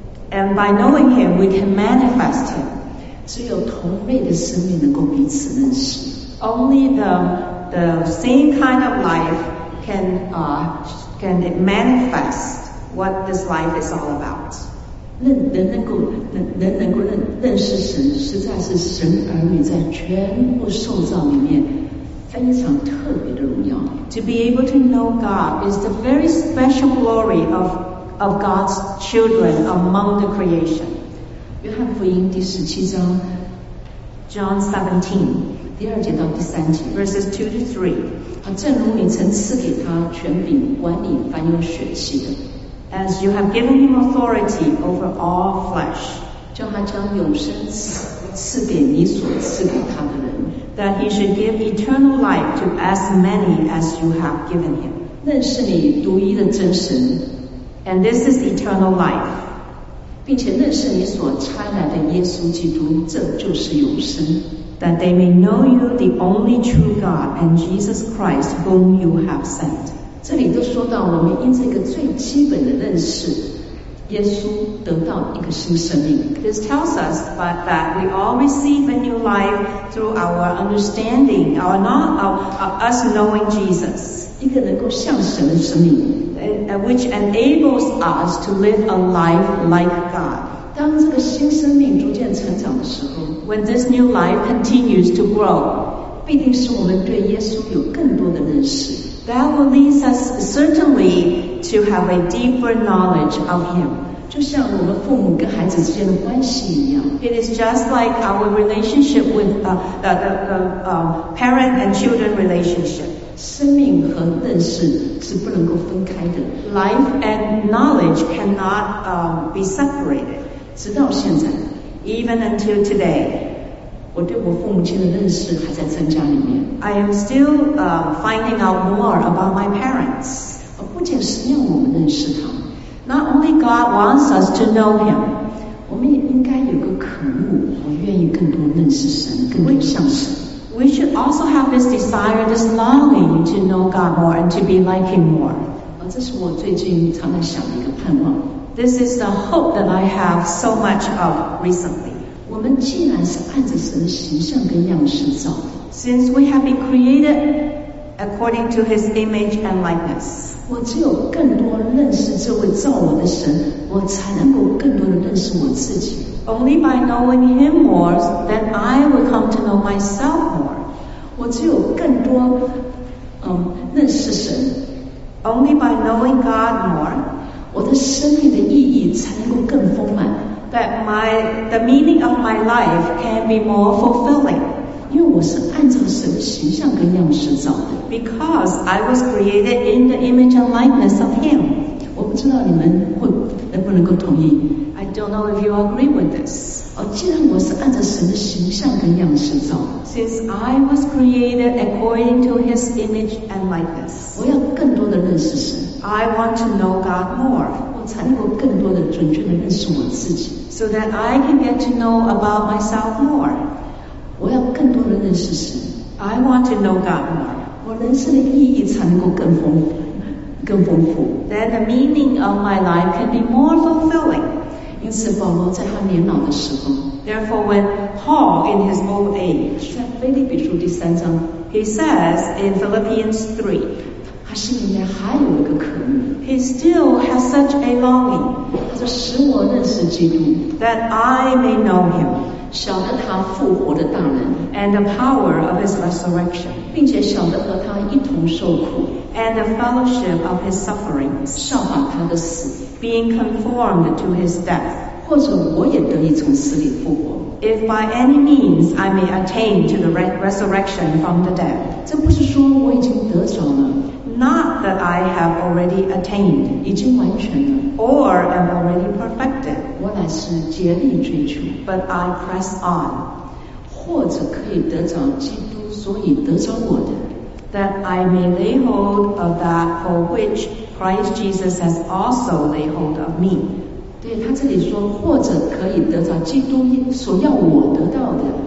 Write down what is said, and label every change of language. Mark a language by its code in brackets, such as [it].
[en] And by knowing Him, we can manifest Him. [zh] 只有同类的生命能够彼此认识。 [en] Only the same kind of life. Can it manifest what this life is all about? [zh] 能够认识神，实在是神儿女在全部受造里面非常特别的荣耀。 [en] To be able to know God is the very special glory of God's children among the creation. [zh] 约翰福音第十七章 [en] ，John 17, [zh] 第二节到第三节 [en] ，verses 2-3。 [zh] 正如你曾赐给他权柄管理凡有血气的 [en] As you have given him authority over all flesh [zh] 叫他将永生赐给你所赐给他的人 [en] That he should give eternal life to as many as you have given him [zh] 认识你独一的真神 [en] And this is eternal life [zh] 并且认识你所差来的耶稣基督这就是永生 [en] That they may know you, the only true God, and Jesus Christ, whom you have sent. [zh] 这里都说到我们因这个最基本的认识，耶稣得到一个新生命。 [en] This tells us that we all receive a new life through our understanding, us knowing Jesus. [zh] 一个能够像神的生命 [en] which enables us to live a life like God. [zh] 当这个新生命逐渐成长的时候 [en] When this new life continues to grow [zh] 必定使我们对耶稣有更多的认识 [en] That will lead us certainly to have a deeper knowledge of him [zh] 就像我们父母跟孩子之间的关系一样 [en] It is just like our relationship with parent and children relationship [zh] 生命和认识是不能够分开的 [en] Life and knowledge cannot be separated [zh] 直到现在 [en] ，even until today， [zh] 我对我父母亲的认识还在增加里面。 [en] I am still finding out more about my parents。 [zh] 不仅是让我们认识他 [en] ，not only God wants us to know Him， [zh] 我们也应该有个渴慕，我愿意更多认识神，更多像神。 [en] We should also have this desire, this longing to know God more and to be like Him more。 [zh] 这是我最近常在想的一个盼望。 [en] This is the hope that I have so much of recently. [zh] 我们既然是按着神的形象跟样式造的 [en] Since we have been created according to His image and likeness. [zh] 我只有更多认识这位造我的神，我才能够更多的认识我自己。 [en] Only by knowing Him more, then I will come to know myself more. [zh] 我只有更多认识神。 [en] Only by knowing God more. [zh] 我的生命的意义才能够更丰满 [en] That the meaning of my life can be more fulfilling [zh] 因为我是按照神的形象跟样式造的 [en] Because I was created in the image and likeness of Him [zh] 我不知道你们能不能够同意 [en] I don't know if you agree with this [zh] 既然我是按照神的形象跟样式造的 [en] Since I was created according to His image and likeness [zh] 我要更多的认识神 [en] I want to know God more. [zh] 我才能够更多的准确的认识我自己 [en] So that I can get to know about myself more. [zh] 我要更多的认识神 [en] I want to know God more. [zh] 我人生的意义才能够更丰富 [en] Then the meaning of my life can be more fulfilling. [zh] 因此保罗在他年老的时候 [en] Therefore when Paul in his old age [zh] 在腓立比书第三章 [en] He says in Philippians 3 [zh] 他心里面还有一个渴慕 [en] He still has such a longing [zh] 他说使我认识基督 [en] That I may know him [zh] 晓得他复活的大能 [en] And the power of his resurrection [zh] 并且晓得和他一同受苦 [en] And the fellowship of his sufferings [zh] 效法他的死 [en] Being conformed to his death [zh] 或者我也得以从死里复活 [en] If by any means I may attain to the resurrection from the dead [zh] 这不是说我已经得着了 [en] Not that I have already attained, [zh] 已经完全了 [en] or am already perfected, [zh] 我乃是竭力追求 [en] but I press on, [zh] 或者可以得着基督所以得着我的 [en] that I may lay hold of that for which Christ Jesus has also laid hold of me. [zh] 对他这里说或者可以得着基督所要我得到的